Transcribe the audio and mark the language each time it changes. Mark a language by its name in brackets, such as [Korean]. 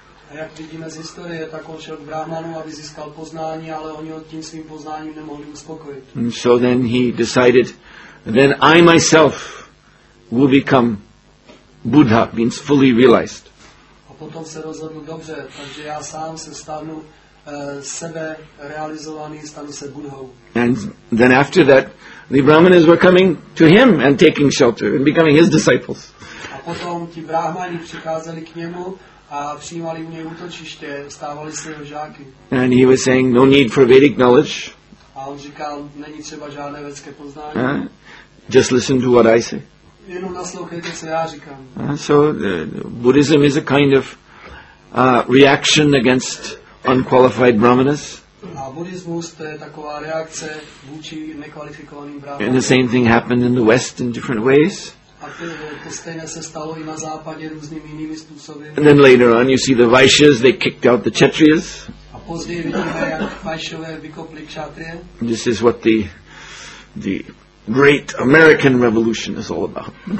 [Czech] A jak vidíme z historie, tak on šel k brahmanu, aby získal poznání, ale oni ho tím svým poznáním nemohli uspokojit. [English] And so then he decided, then I myself will become Buddha, means fully realized. [Czech] A potom se rozhodnu dobře, takže já sám se stanu sebe realizovaný, stanu se Budhou. [English] And then after that, the brahmanas were coming to him and taking shelter and becoming his disciples. [Czech] A potom ti brahmani přicházeli k němu a přijímali u něj útočiště, stávali se jeho žáky. [English] And he was saying, no need for Vedic knowledge. [Czech] A on říkal, není třeba žádné vědecké poznání. [English] Just listen to what I say. [Czech] Jenom naslouchejte, co já říkám. [English] So Buddhism is a kind of reaction against unqualified brahmanas. [Czech] A buddhismus to je taková reakce vůči nekvalifikovaným brahmanům. [English] And the same thing happened in the West in different ways. [Czech] A to stejné se stalo i na západě různými jinými způsoby. [English] And then later on you see the Vaishyas, they kicked out the Kshatriyas. [Czech] A později vidíme, jak Vaishyové vykopli Kshatriye. [English] This is what the great American Revolution is all about.